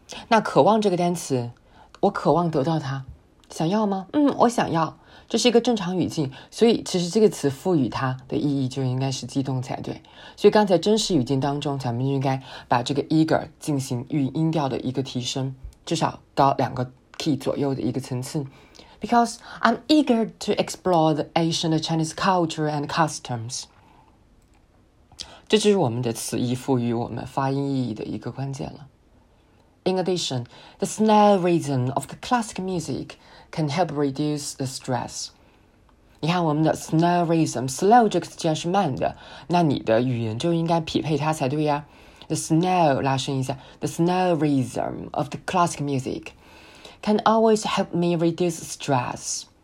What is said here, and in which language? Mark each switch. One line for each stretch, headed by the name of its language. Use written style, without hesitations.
Chinese: 那渴望这个单词，我渴望得到它，想要吗？我想要。这是一个正常语境，所以其实这个词赋予它的意义就应该是激动才对。所以刚才真实语境当中，咱们应该把这个 eager 进行音调的一个提升，至少高两个 key 左右的一个层次。
English: Because I'm eager to explore the ancient Chinese culture and customs.
Chinese: 这就是我们的词义赋予我们发音意义的一个关键了。
English: In addition, the slow rhythm of the classic music can help reduce the stress.
Chinese: 你看我们的 slow rhythm, slow 这个词既然是慢的，那你的语言就应该匹配它才对呀。
English: The slow,
Chinese: 拉伸一下，
English: the slow rhythm of the classic music can always help me reduce stress.